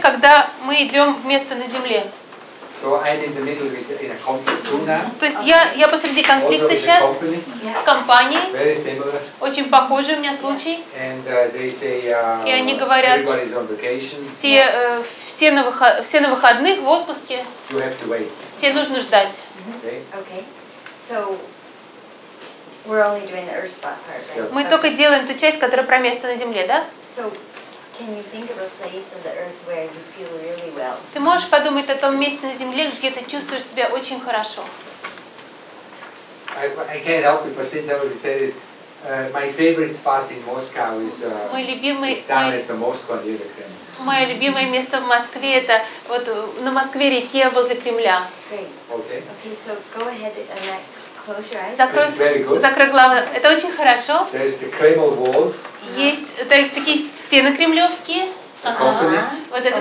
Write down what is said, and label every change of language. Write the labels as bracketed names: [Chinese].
[Russian] Когда мы идем в место на земле. [English] So I'm in the middle of it in a conflict too now. [Russian] То есть я посреди конфликта сейчас с компанией. [English] Very similar. [Russian] Очень похожий у меня случай. [English] And they say everybody's on vacation. [Russian] Все на выходных, в отпуске. [English] You have to wait. [Russian] Тебе нужно ждать. [English] Okay. So we're only doing the earth spot part, right? Yep. [Russian] Мы только делаем ту часть, которая про место на земле, да? [English] So can you think of a place on the earth where you feel really well? [Russian] Ты можешь подумать о том месте на земле, где ты чувствуешь себя очень хорошо? [English] I can't help it, but since I already said it, my favorite spot in Moscow is down at the Moskva near the Kremlin. [Russian] Мое любимое место в Москве это вот на Москве реке возле Кремля. [English] Okay. So go ahead and [Russian] Закрой глаза. Это очень хорошо. [English] There's the Kremlin walls. [Russian] Есть такие стены кремлевские, вот эта